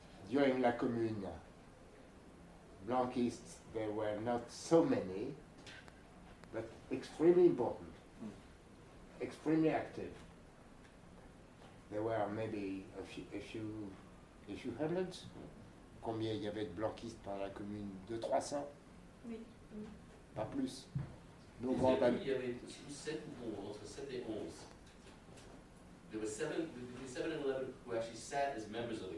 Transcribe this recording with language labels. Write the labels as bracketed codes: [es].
[en] During La Commune, Blanquists, there were not so many, but extremely important, extremely active. There were maybe a few hundreds. [fr] Combien il y avait de Blanquistes par la commune? 200-300? Oui. Pas plus. Non, il y avait 7 mouvements entre 7 et 11. [en] There were 7 between 7 and 11 who actually sat as members of the